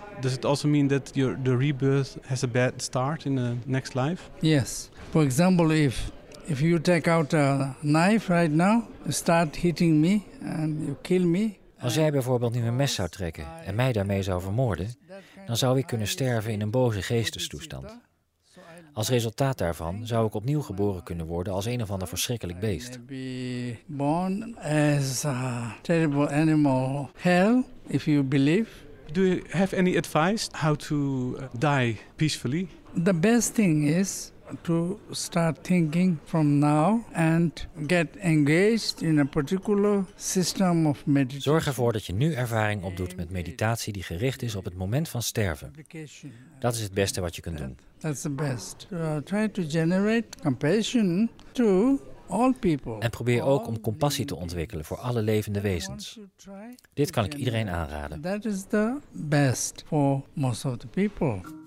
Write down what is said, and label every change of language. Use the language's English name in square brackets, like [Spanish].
[English] Does it also mean that the rebirth has a bad start in the next life? Yes. For example, if you take out a knife right now, start hitting me and you kill me. [Dutch] Als jij bijvoorbeeld nu een mes zou trekken en mij daarmee zou vermoorden, dan zou ik kunnen sterven in een boze geestestoestand. Als resultaat daarvan zou ik opnieuw geboren kunnen worden als een of ander verschrikkelijk beest. [English] I may be born as a terrible animal, hell, if you believe. Do you have any advice how to die peacefully? The best thing is to start thinking from now and get engaged in a particular system of meditation. [Dutch] Zorg ervoor dat je nu ervaring opdoet met meditatie die gericht is op het moment van sterven. Dat is het beste wat je kunt doen. [English] That's the best. Try to generate compassion to all people. [Dutch] En probeer ook om compassie te ontwikkelen voor alle levende wezens. Dit kan ik iedereen aanraden. [English] That is the best for most of the people.